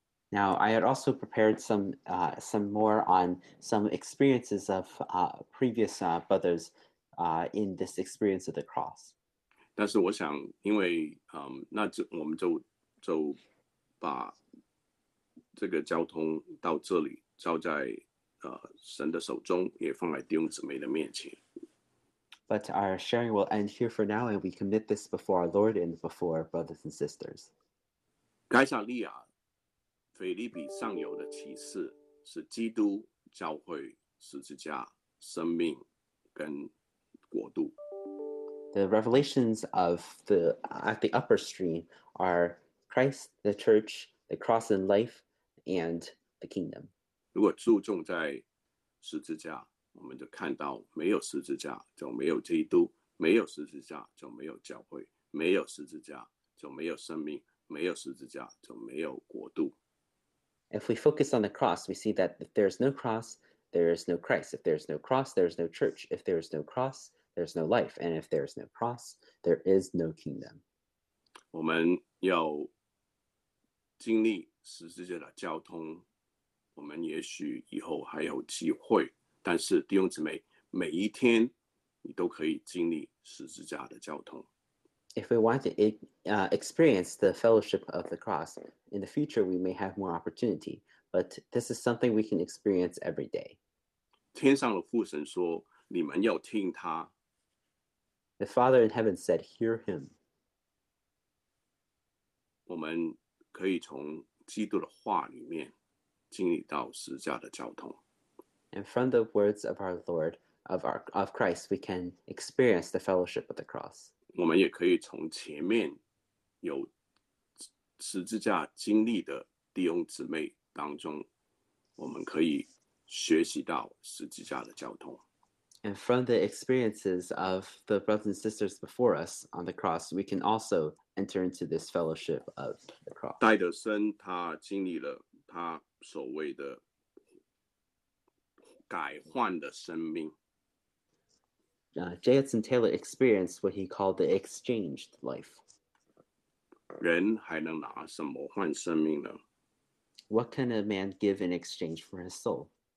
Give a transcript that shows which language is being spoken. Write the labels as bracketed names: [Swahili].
[English] Now, I had also prepared some more on some experiences of previous brothers in this experience of the cross. [Chinese] 但是我想因为那我们就把这个交通到这里交在神的手中，也放在弟兄姊妹的面前。 [English] But our sharing will end here for now, and we commit this before our Lord and before our brothers and sisters. [Chinese] 该撒利亚腓立比上游的启示是基督教会十字架生命跟国度。 [English] The revelations of the at the upper stream are Christ, the church, the cross and life, and the kingdom. [Chinese] 如果注重在十字架，我们就看到没有十字架就没有基督，没有十字架就没有教会，没有十字架就没有生命，没有十字架就没有国度。 [English] If we focus on the cross, we see that if there is no cross, there is no Christ. If there is no cross, there is no church. If there is no cross, there is no life. And if there is no cross, there is no kingdom. [Chinese] 我们要经历十字架的交通，我们也许以后还有机会。但是弟兄姊妹，每一天你都可以经历十字架的交通。 [English] If we want to experience the fellowship of the cross, in the future we may have more opportunity, but this is something we can experience every day. [Chinese] 天上的父神说，你们要听他。 [English] The Father in heaven said, hear him. [Chinese] 我们可以从基督的话里面经历到十字架的交通。 [English] And from the words of our Lord, of Christ, we can experience the fellowship of the cross. [Chinese] 我们也可以从前面有十字架经历的弟兄姊妹当中，我们可以学习到十字架的交通。 [English] And from the experiences of the brothers and sisters before us on the cross, we can also enter into this fellowship of the cross. [Chinese] 戴德森他经历了他所谓的改换的生命。 [English] Jason Taylor experienced what he called the exchanged life. [Chinese] 人还能拿什么换生命呢？ [English] What can a man give in exchange for his soul?